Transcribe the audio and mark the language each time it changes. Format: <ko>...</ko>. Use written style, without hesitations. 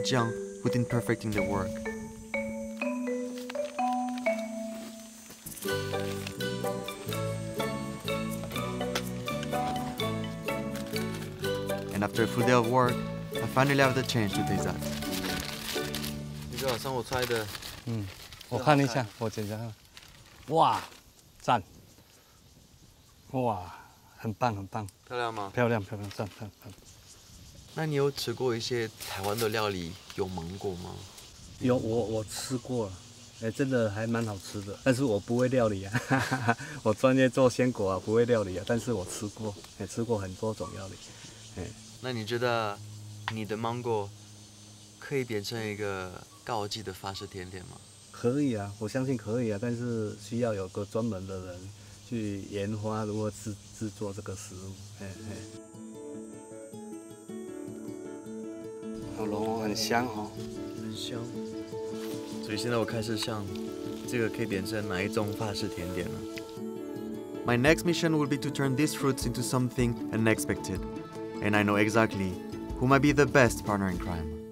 <en>Jiang put in perfecting their work. And after a full day of work, I finally have the chance to taste that.</en> <zh>这个好像我猜的，嗯。我看一下，我检查看，哇，赞，哇，很棒很棒，漂亮吗？漂亮漂亮，赞赞赞。那你有吃过一些台湾的料理，有芒果吗？有，我吃过，真的还蛮好吃的。但是我不会料理啊， 我专业做鲜果啊，不会料理啊。但是我吃过，也吃过很多种料理。那你觉得你的芒果可以变成一个高级的法式甜点吗？可以啊，我相信可以啊，但是需要有个专门的人去研发如何制作这个食物。嘿嘿，龙蛳很香哦，很香。所以现在我开始想，这个可以变成哪一种法式甜点呢？</zh> <en>My next mission will be to turn these fruits into something unexpected. And I know exactly who might be the best partner in crime.</en>